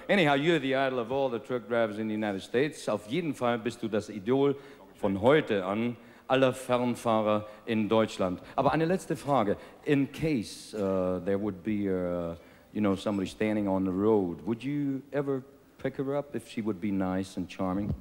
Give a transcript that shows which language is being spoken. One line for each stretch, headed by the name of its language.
English: Anyhow, you're the idol of all the truck drivers in the United States.
German: Auf jeden Fall bist du das Idol von heute an aller Fernfahrer in Deutschland. Aber eine letzte Frage.
English: In case there would be, you know, somebody standing on the road, would you ever pick her up if she would be nice and charming?